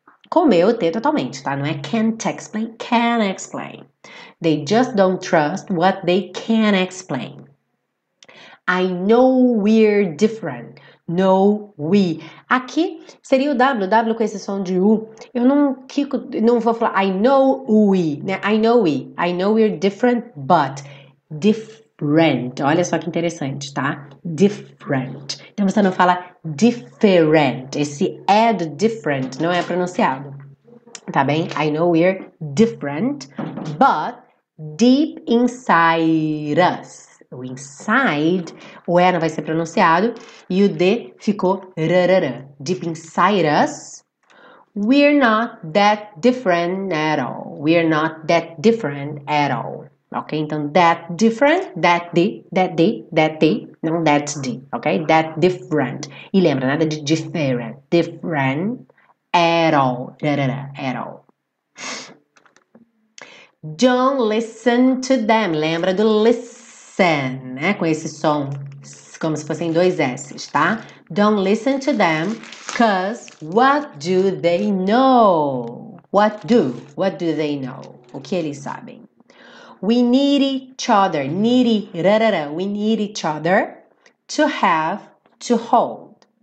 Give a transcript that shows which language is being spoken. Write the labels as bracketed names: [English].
[Portuguese] Comeu o T totalmente, tá? Não é [English] can't explain, can explain. They just don't trust what they can explain. I know we're different. No, we. [Portuguese] Aqui seria o W, W com esse som de U. Eu não quico, não vou falar I know we, né? [English] I know we. I know we're different, but different. [Portuguese] Olha só que interessante, tá? Different. Então você não fala different. Esse é do different, não é pronunciado. Tá bem? [English] I know we're different, but deep inside us. [Portuguese] O inside, o E não vai ser pronunciado, e o D ficou rarara. [English] Deep inside us, we're not that different at all. We're not that different at all. [Portuguese] Ok? Então, that different, that the, não that the, ok? [English] That different. [Portuguese] E lembra, nada de [English] different. Different at all. Rarara, at all. Don't listen to them. [Portuguese] Lembra do listen. Né? Com esse som, como se fossem dois S's, tá? [English] Don't listen to them, 'cause what do they know? What do they know? [Portuguese] O que eles sabem? [English] We need each other, needy, rarara, we need each other to have, to hold.